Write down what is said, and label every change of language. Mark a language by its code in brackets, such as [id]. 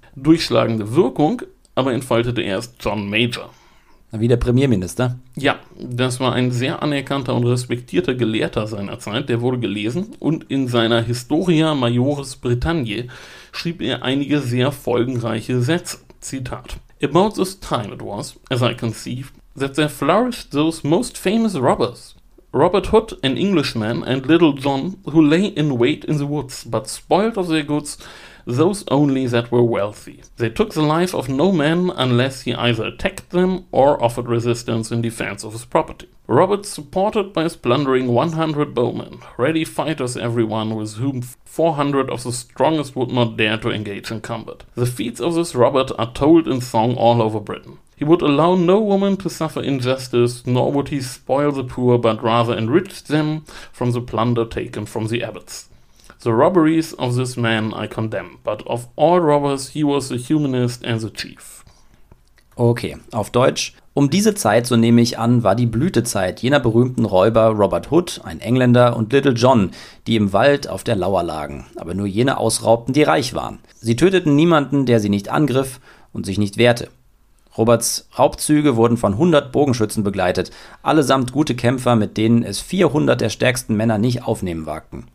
[de] Durchschlagende Wirkung aber entfaltete erst John Major. Wie der Premierminister? Ja, das war ein sehr anerkannter und respektierter Gelehrter seiner Zeit, der wurde gelesen und in seiner Historia Majoris Britanniae schrieb er einige sehr folgenreiche Sätze. [en] Zitat: About this time it was, as I conceived, that there flourished those most famous robbers, Robert Hood, an Englishman, and Little John, who lay in wait in the woods, but spoiled of their goods, those only that were wealthy. They took the life of no man unless he either attacked them or offered resistance in defense of his property. Robert supported by his plundering 100 bowmen, ready fighters everyone with whom 400 of the strongest would not dare to engage in combat. The feats of this Robert are told in song all over Britain. He would allow no woman to suffer injustice, nor would he spoil the poor, but rather enrich them from the plunder taken from the abbots. The robberies of this man I condemn, but of all robbers he was the humanest and the chief. [de] Okay, auf Deutsch. Um diese Zeit, so nehme ich an, war die Blütezeit jener berühmten Räuber Robert Hood, ein Engländer, und Little John, die im Wald auf der Lauer lagen, aber nur jene ausraubten, die reich waren. Sie töteten niemanden, der sie nicht angriff und sich nicht wehrte. Roberts Raubzüge wurden von 100 Bogenschützen begleitet, allesamt gute Kämpfer, mit denen es 400 der stärksten Männer nicht aufnehmen wagten.